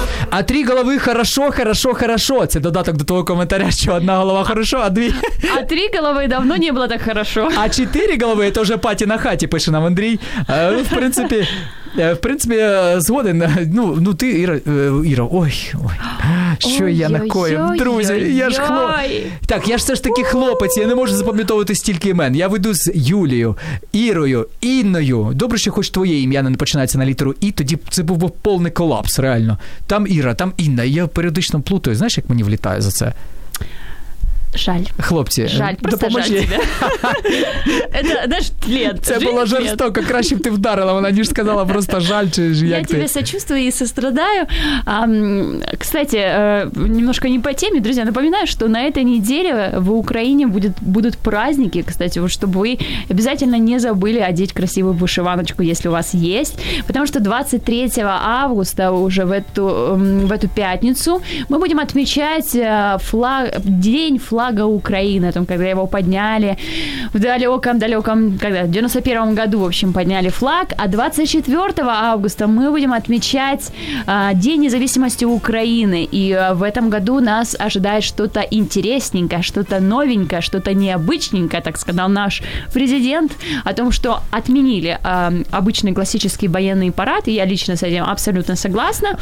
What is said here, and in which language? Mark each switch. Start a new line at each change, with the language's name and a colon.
Russian: а три головы хорошо, хорошо, хорошо. Это додаток до того комментария, что одна голова хорошо, а две... А три головы давно не было так хорошо. А четыре головы, это уже пати на хате, пишет нам Андрей.
Ukrainian: В принципе... В принципі, згоден. Ну ти, Іра, ой, що я накоїв, друзі, я ж хлопець. Так, я ж все ж таки хлопець, я не можу запам'ятовувати стільки імен. Я веду з Юлією, Ірою, Інною. Добре, що хоч твоє ім'я не починається на літеру І, тоді це був би повний колапс, реально. Там Іра, там Інна, я періодично плутаю, знаєш, як мені влітає за це? Жаль. Хлопці, жаль, просто допоможі. Жаль тебе. Знаєш, тлен. Це було жорстоко, краще б ти вдарила, вона ніж сказала просто жаль, чи ж як ти.
Russian: Я тебе сочувствую і сострадаю.
Ukrainian: Кстати, немножко не по темі, друзі, напоминаю, що на цій неділі в Україні будуть праздники, кстати, вот, щоб ви обов'язково не забули одіти красиву вишиваночку, якщо у вас є. Тому що 23 августа, вже в эту п'ятницю, ми будемо відмічати день флаг.
Russian: Флага Украины, о том, когда его подняли в далеком, когда, в 91-м году, в общем, подняли флаг, а 24 августа мы будем отмечать День независимости Украины, и в этом году нас ожидает что-то интересненькое, что-то новенькое, что-то необычненькое, так сказал наш президент, о том, что отменили обычный классический военный парад, и я лично с этим абсолютно согласна.